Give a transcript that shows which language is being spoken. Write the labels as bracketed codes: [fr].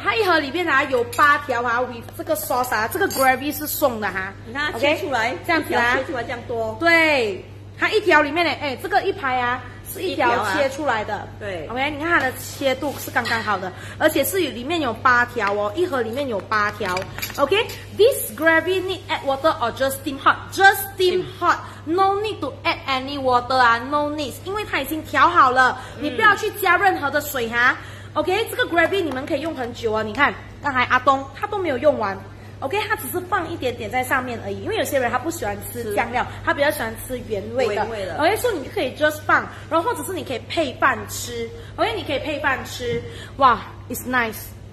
[zh] 它一盒里面啊有八条啊，比这个 sauce 啊，这个 gravy 是送的哈。你看切出来这样子啊，切出来这样多。对，它一条里面嘞，哎，这个一排啊是一条切出来的。对，OK， 你看它的切度是刚刚好的，而且是里面有八条哦，一盒里面有八条。 [en] OK， this gravy need add water or just steam hot? Just steam hot, no need to add any water 啊 ，no need， [zh] 因为它已经调好了，你不要去加任何的水哈。 OK， 这个 gravy 你们可以用很久啊，你看刚才阿东他都没有用完。 OK， 他只是放一点点在上面而已，因为有些人他不喜欢吃酱料，他比较喜欢吃原味的。 OK， 所以你可以 just 放，然后或者是你可以配饭吃。OK， 你可以配饭吃，哇 ，it's nice。